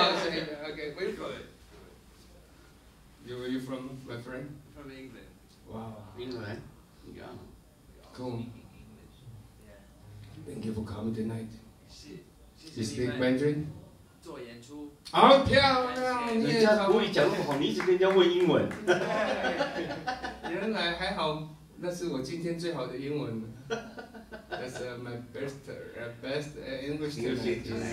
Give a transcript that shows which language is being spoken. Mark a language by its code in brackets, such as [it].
[en] Okay, where are you from, my friend? From England. Wow. England? Yeah. Cool. Speaking English. Yeah. Thank you for coming tonight. She speak Mandarin? [zh] 做演出。好漂亮！人家国语讲那么好，你一直跟人家问英文。原来还好，那是我今天最好的英文。 [en] That's my best, best English tonight.